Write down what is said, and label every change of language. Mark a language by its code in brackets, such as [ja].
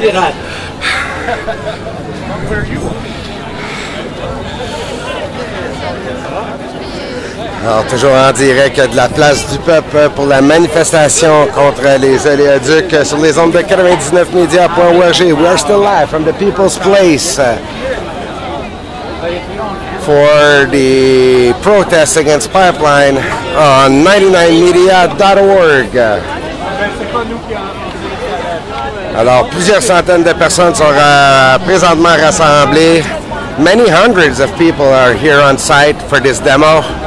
[en] pirate. [fr] Alors, toujours en direct de la place du peuple pour la manifestation contre les oléoducs sur les ondes de 99media.org. [en] We are still live from the People's Place for the protest against pipeline on 99media.org. [fr] Alors, plusieurs centaines de personnes sont présentement rassemblées. [en] Many hundreds of people are here on site for this demo.